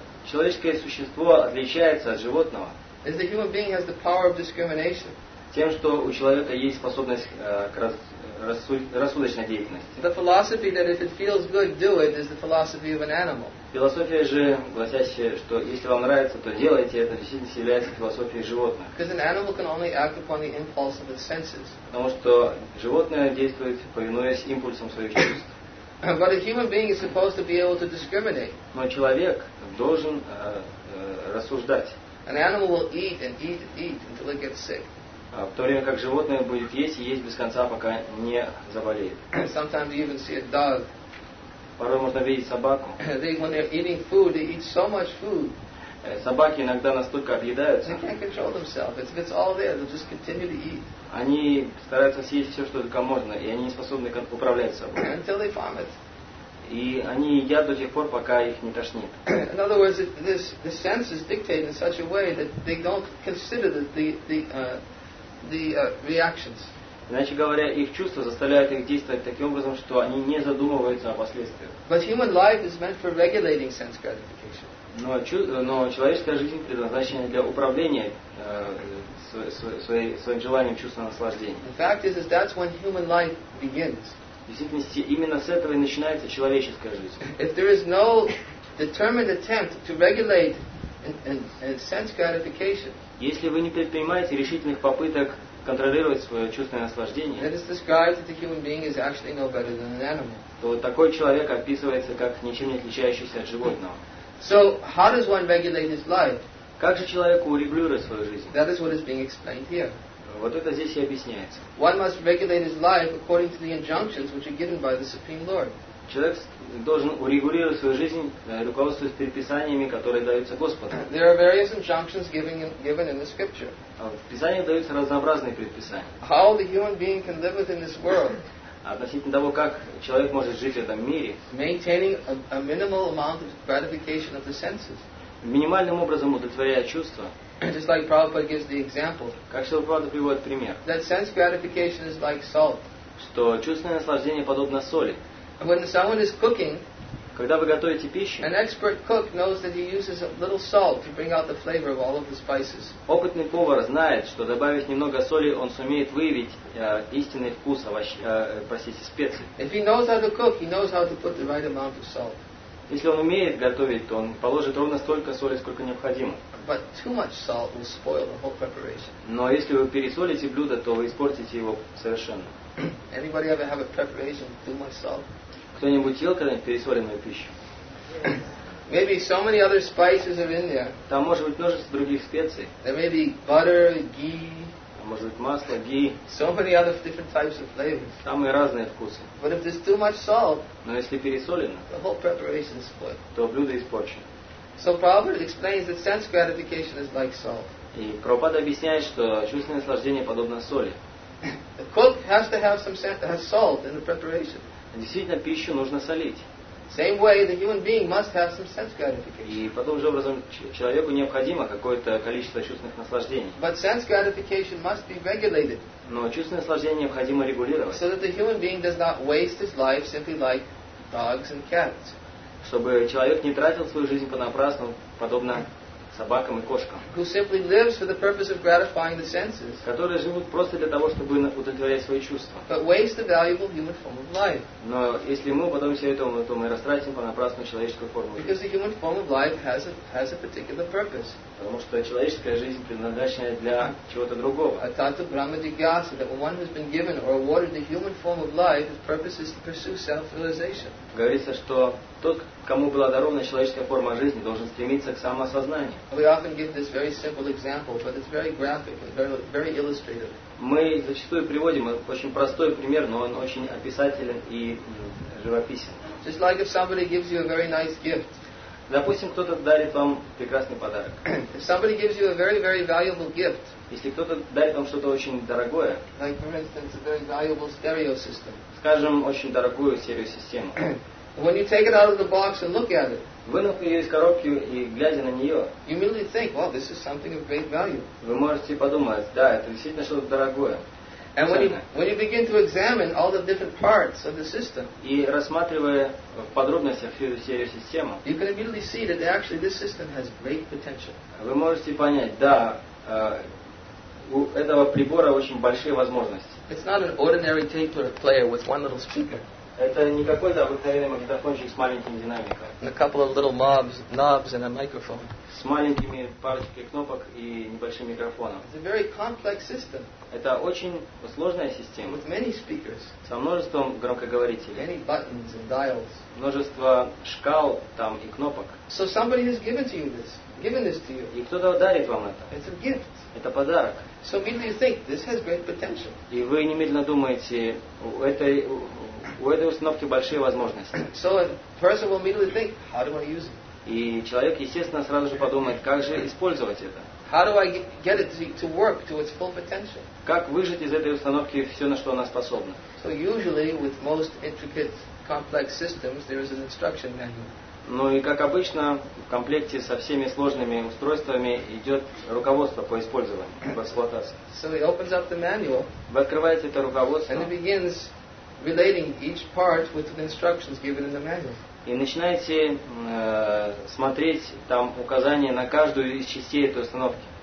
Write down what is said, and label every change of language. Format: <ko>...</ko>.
<ru>человеческое существо отличается от животного,</ru> <en>is the human being has the power of discrimination.</en> <ru>Тем, что у человека есть способность к рассудочной деятельности.</ru> <en>The philosophy that if it feels good, do it, is the philosophy of an animal.</en> <ru>Философия же, гласящая, что если вам нравится, то делайте это, действительно является философией животных.</ru> <en>Because an animal can only act upon the impulse of its senses.</en> <ru>Потому что животное действует, повинуясь импульсам своих чувств.</ru> <en>But a human being is supposed to be able to discriminate.</en> <ru>Но человек должен рассуждать.</ru> <en>An animal will eat and eat and eat until it gets sick.</en> <ru>В то время как животное будет есть и есть без конца, пока не заболеет.</ru> <en>Sometimes you even see a dog.</en> <ru>Порой можно видеть собаку.</ru> <en>They, when they're eating food, they eat so much food.</en> <ru>Собаки иногда настолько объедаются.</ru> <en>They can't control themselves. It's all there. They'll just continue to eat.</en> <ru>Они стараются съесть все, что только можно, и они не способны управлять собой.</ru> <en>Until they vomit.</en> <ru>И они едят до тех пор, пока их не тошнит.</ru> <en>In other words, the senses dictate in such a way that they don't consider the reactions.</en> <ru>Иначе говоря, их чувства заставляют их действовать таким образом, что они не задумываются о последствиях.</ru> <en>But human life is meant for regulating sense gratification.</en> <ru>Но человеческая жизнь предназначена для управления своим желанием чувства наслаждения.</ru> <en>The fact is that's when human life begins.</en> <ru>В действительности, именно с этого и начинается человеческая жизнь.</ru> <en>If there is no determined attempt to regulate and sense gratification,</en> <ru>если вы не предпринимаете решительных попыток контролировать свое чувственное наслаждение, то такой человек описывается как ничем не отличающийся от животного.</ru> <en>So how does one regulate his life?</en> <ru>Как же человеку урегулировать свою жизнь?</ru> <en>That is what is being explained here.</en> <ru>Вот это здесь и объясняется.</ru> <en>One must regulate his life according to the injunctions which are given by the Supreme Lord.</en> <ru>Человек должен урегулировать свою жизнь, руководствуясь предписаниями, которые даются Господу.</ru> <en>There are various injunctions given in the scripture.</en> <ru>В Писании даются разнообразные предписания.</ru> <en>How the human being can live within this world.</en> <ru>Относительно того, как человек может жить в этом мире.</ru> <en>Maintaining a minimal amount of gratification of the senses.</en> <ru>Минимальным образом удовлетворяя чувства.</ru> <en>Just like Prabhupada gives the example.</en> <ru>Как Шрила Прабхупада приводит пример.</ru> <en>That sense gratification is like salt.</en> <ru>Что чувственное наслаждение подобно соли.</ru> <en>When someone is cooking,</en> <ru>когда вы готовите пищу,</ru> <en>an expert cook knows that he uses a little salt to bring out the flavor of all of the spices.</en> <ru>Опытный повар знает, что добавив немного соли, он сумеет выявить истинный вкус специй.</ru> <en>If he knows how to cook, he knows how to put the right amount of salt.</en> <ru>Если он умеет готовить, то он положит ровно столько соли, сколько необходимо.</ru> <en>But too much salt will spoil the whole preparation.</en> <ru>Но если вы пересолите блюдо, то вы испортите его совершенно.</ru> <en>Anybody ever have a preparation too much salt?</en> <ru>Кто-нибудь ел когда-нибудь пересоленную пищу?</ru> <en>Maybe so many other spices are in there.</en> <ru>Там может быть множество других специй.</ru> <en>There may be butter, ghee.</en> <ru>Может быть масло, ghee.</ru> <en>So many other different types of flavors.</en> <ru>Самые разные вкусы.</ru> <en>But if there's too much salt,</en> <ru>но если пересолено,</ru> <en>the whole preparation is spoiled.</en> <ru>То блюдо испорчено.</ru> <en>So Prabhupada explains that sense gratification is like salt.</en> <ru>И Прабхупада объясняет, что чувственное наслаждение подобно соли.</ru> <en>The cook has to have some salt in the preparation.</en> <ru>Действительно, пищу нужно солить.</ru> <en>Same way, the human being must have some sense gratification.</en> <ru>И подобным же образом человеку необходимо какое-то количество чувственных наслаждений.</ru> <en>But sense gratification must be regulated.</en> <ru>Но чувственное наслаждение необходимо регулировать.</ru> <en>So that the human being does not waste his life simply like dogs and cats.</en> <ru>Чтобы человек не тратил свою жизнь понапрасну, подобно собакам и кошкам,</ru> <en>who simply lives for the purpose of gratifying the senses,</en> <ru>которые живут просто для того, чтобы удовлетворять свои чувства,</ru> <en>but waste the valuable human form of life.</en> <ru>Но если мы потом все это, то мы растратим понапрасну человеческую форму жизни.</ru> <en>Because the human form of life has a particular purpose.</en> <ru>Потому что человеческая жизнь предназначена для чего-то другого.</ru> <sa>Atanta Brahma Jigyasa,</sa> <en>that when one has been given or awarded the human form of life, his purpose is to pursue self-realization.</en> <ru>Говорится, что тот, кому была дарована человеческая форма жизни, должен стремиться к самосознанию.</ru> <en>We often give this very simple example, but it's very graphic and very, very illustrative.</en> <ru>Мы зачастую приводим очень простой пример, но он очень описателен и живописен.</ru> <en>Just like if somebody gives you a very nice gift.</en> <ru>Допустим, кто-то дарит вам прекрасный подарок.</ru> <en>If somebody gives you a very, very valuable gift.</en> <ru>Если кто-то дарит вам что-то очень дорогое.</ru> <en>Like for instance, a very valuable stereo system.</en> <ru>Скажем, очень дорогую стереосистему.</ru> <en>When you take it out of the box and look at it.</en> <ru>Вынув ее из коробки и глядя на нее.</ru> <en>You immediately think, well, this is something of great value.</en> <ru>Вы можете подумать, да, это действительно что-то дорогое.</ru> <en>And when you begin to examine all the different parts of the system,</en> <ru>и рассматривая в подробностях всю стереосистему,</ru> <en>you can immediately see that actually this system has great potential.</en> <ru>Вы можете понять, да, у этого прибора очень большие возможности.</ru> <en>It's not an ordinary tape player with one little speaker.</en> <ru>Это не какой-то обыкновенный магнитофончик с маленьким динамиком.</ru> <en>And a couple of little knobs and a microphone.</en> <ru>С маленькими парочкой кнопок и небольшим микрофоном.</ru> <en>It's a very complex system.</en> <ru>Это очень сложная система.</ru> <en>With many speakers.</en> <ru>Со множеством громкоговорителей.</ru> <en>Many buttons and dials.</en> <ru>Множество шкал там и кнопок.</ru> <en>So somebody has given this to you.</en> <ru>И кто-то дарит вам это.</ru> <en>It's a gift.</en> <ru>Это подарок.</ru> <en>So immediately you think this has great potential.</en> <ru>И вы немедленно думаете, у этой установки большие возможности.</ru> <en>So a person will immediately think, how do I use it?</en> <ru>И человек, естественно, сразу же подумает, как же использовать это.</ru> <en>How do I get it to work to its full potential?</en> <ru>Как выжать из этой установки все, на что она способна?</ru> <en>So usually with most intricate complex systems there is an instruction manual.</en> <ru>Ну и как обычно, в комплекте со всеми сложными устройствами идет руководство по использованию, по эксплуатации.</ru> <en>So he opens up the manual.</en> <ru>Вы открываете это руководство.</ru> <en>And he begins relating each part with the instructions given in the manual.</en> <ru>И начинаете смотреть там указания на каждую из частей этой установки.</ru>